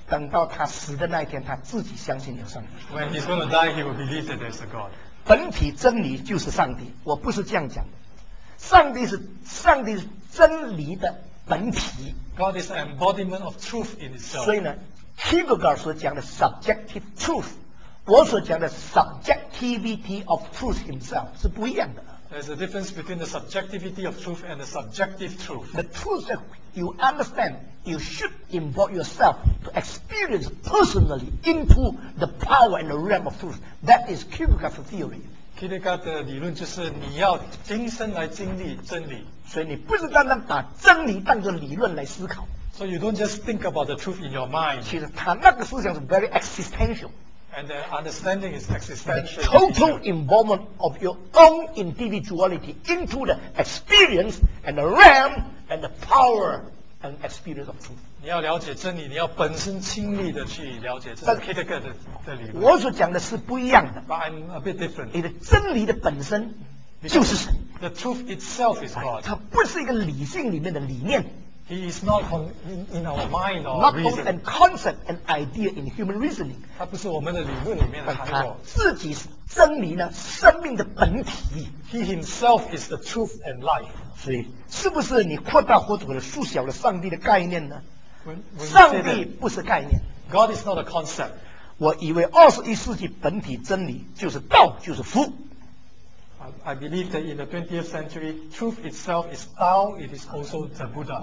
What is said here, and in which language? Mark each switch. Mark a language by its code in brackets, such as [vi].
[zh] 怎么样说服一个无神论者说有上帝？等到他死的那一天，他自己相信有上帝。 [en] When he's going to die, he will believe that there's a God. [zh] 本体真理就是上帝，我不是这样讲的。上帝是真理的本体。God [en] is the embodiment of truth in itself. [zh] 所以呢，Kierkegaard所讲的 [en] subjective truth [zh] 我所讲的 [en] subjectivity of truth himself [zh] 是不一样的。 [en] There's a difference between the subjectivity of truth and the subjective truth. The truth that you understand, you should involve yourself to experience personally into the power and the realm of truth. That is Kierkegaard's theory. [zh] Kierkegaard的理论就是你要亲身来经历真理。所以你不是单单把真理当作理论来思考。 [en] So you don't just think about the truth in your mind. [zh] 其实他那个思想 [en] is very existential. And the understanding is existential. The total involvement of your own individuality into the experience and the realm and the power and experience of truth. [zh] 你要了解真理，你要本身亲历的去了解真理。 Kierkegaard的理论。我所讲的是不一样的。 [en] But I'm a bit different. [zh] 你的真理的本身就是神。 [en] The truth itself is God. [zh] 它不是一个理性里面的理念。 [en] He is not in our mind or not reason. Not only a concept and idea in human reasoning. [zh] 它不是我们的理论里面的含义。自己是真理呢，生命的本体。 [en] He himself is the truth and life. [zh] 所以，是不是你扩大或者缩小了上帝的概念呢？ When 上帝不是概念。 [en] God is not a concept. [zh] 我以为21世纪本体真理就是道，就是福。 [en] I believe that in the 20th century, truth itself is Tao, it is also the Buddha.